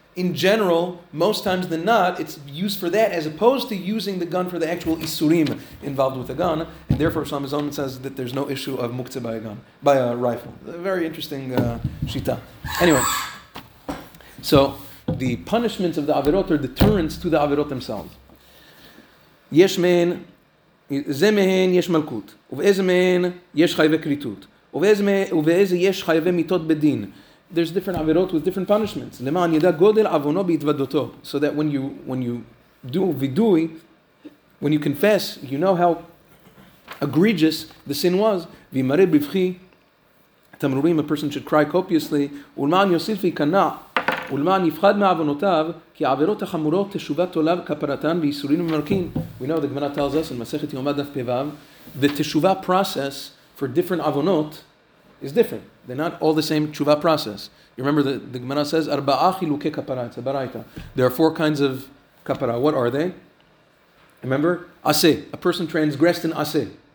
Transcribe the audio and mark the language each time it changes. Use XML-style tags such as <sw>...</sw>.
<en>In general, most times than not, it's used for that, as opposed to using the gun for the actual isurim involved with a gun. And therefore, Shlomo Zalman says that there's no issue of muktzeh by a gun, by a rifle. A very interesting shita. Anyway, so the punishments of the avirot are deterrents to the avirot themselves.</en> <he>Yesh mein זה מהן יש מלכות, ובאיזה מהן יש חייבי קריטות, ובאיזה יש חייבי מיתות בדין.</he> <en>There's different עבירות with different punishments.</en> <he>למען ידע גודל עוונו בהתוודותו.</he> <en>So that when you do vidui, when you confess, you know how egregious the sin was.</en> <he>וימרא בבכי תמרורים,</he> <en>a person should cry copiously.</en> <he>ולמען יוסיף ויכנע, ולמען יפחד מעוונותיו, כי העבירות החמורות תשובה תולב כפרתן ויסורין ומרקין.</he> <en>We know the Gemara tells us in</en> <he>מסכת יומא דף פ"ו,</he> <en>the teshuvah process for different עוונות is different. They're not all the same teshuvah process. You remember the Gemara says,</en> <he>ארבעה חילוקי כפרה,</he> <en>it's a baraita. There are four kinds of כפרה. What are they? Remember? Aseh. A person transgressed in aseh.</en>